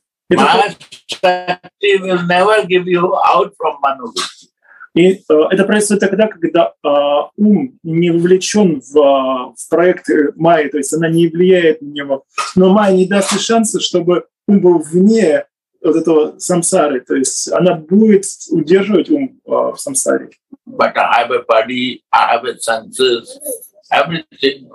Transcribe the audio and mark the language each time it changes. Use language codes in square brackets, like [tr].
[en] Maya Shakti will never give you out from Manuvritti. [ru] И это происходит тогда, когда ум не вовлечен в проект майи, то есть она не влияет на него. Но майя не даст ей шанса, чтобы ум был вне вот этого самсары, то есть она будет удерживать ум в самсаре. [en] But I have a body, I have a senses, everything.